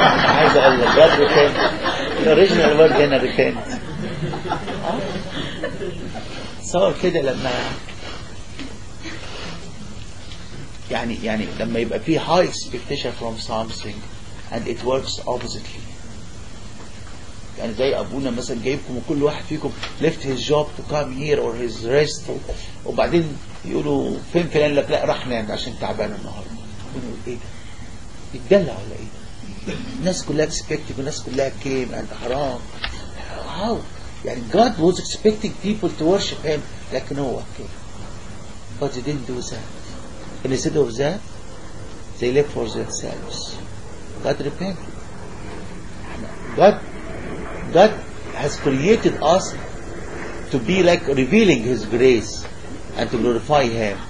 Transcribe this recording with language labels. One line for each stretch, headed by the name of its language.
Arabic: عايز اقول لك,
English: God repent. The original word
Arabic: هنا
English: repent.
Arabic: صار كده لما يعني لما يبقى في
English: high expectation from something and it works oppositely.
Arabic: يعني زي أبونا مثلا جايبكم وكل واحد فيكم
English: left his job to come here or his rest,
Arabic: وبعدين يقولوا فين فلان, لك لا راح نام عشان تعبان النهاردة. يكون الايه يتدلع على ايه. الناس كلها
English: expecting
Arabic: والناس كلها
English: came and
Arabic: حرام.
English: How
Arabic: يعني
English: God was expecting people to worship him like Noah came. But he didn't do that. And instead of that they left for themselves. God repented. God has created us to be like revealing his grace and to glorify him.